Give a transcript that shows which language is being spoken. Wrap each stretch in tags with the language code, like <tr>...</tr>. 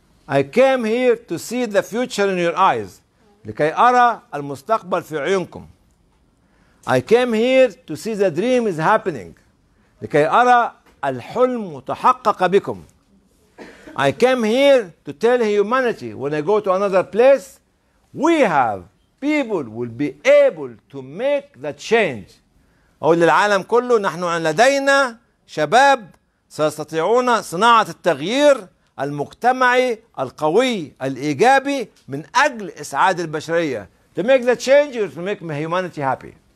<en>I came here to see the future in your eyes.</en> <ar>لكي أرى المستقبل في عيونكم.</ar> <en>I came here to see the dream is happening.</en> <ar>لكي أرى الحلم متحقق بكم.</ar> <en>I came here to tell humanity when I go to another place, we have people will be able to make that change.</en> <ar>أقول للعالم كله نحن لدينا شباب سيستطيعون صناعة التغيير المجتمعي القوي الإيجابي من أجل إسعاد البشرية.</ar> <en>To make the change or to make humanity happy.</en>